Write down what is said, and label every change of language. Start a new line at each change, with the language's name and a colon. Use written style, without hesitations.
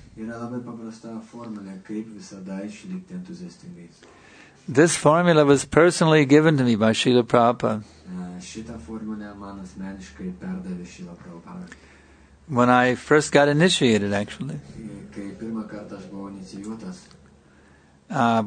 Lithuanian: Yra labai paprasta formulė, kaip visada išlikti entuziastingais.
English: This formula was personally given to me by Srila Prabhupada.
Lithuanian: Šita formulė man asmeniškai perdavė Srila Prabhupada.
English: When I first got initiated, actually.
Lithuanian: Kai pirmą kartą aš buvau inicijuotas.